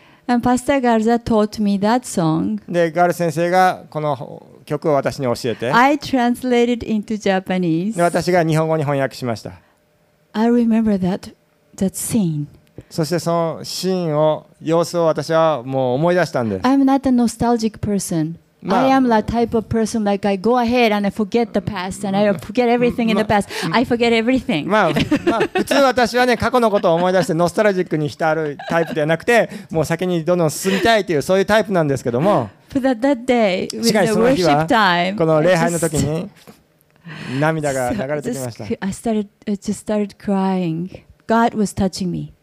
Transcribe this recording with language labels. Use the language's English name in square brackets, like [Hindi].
[English] And Pastor Garza taught me that song. [Japanese] で、ガール先生がこの曲を私に教えて。 [English] I translated into Japanese. [Japanese] で、私が日本語に翻訳しました。 [English] I remember that scene. [Japanese] そしてそのシーンを、様子を私はもう思い出したんです。 [English] I'm not a nostalgic person. まあ、I am the type of person like I go ahead and I forget the past and I forget everything in the past. I forget everything. [Japanese] まあ普通私はね過去のことを思い出してノスタルジックに浸るタイプではなくて、もう先にどんどん進みたいというそういうタイプなんですけども。 [English] But that day, with the worship time, [Japanese] この礼拝の時に涙が流れてきました。 [English] I just started crying. God was touching me.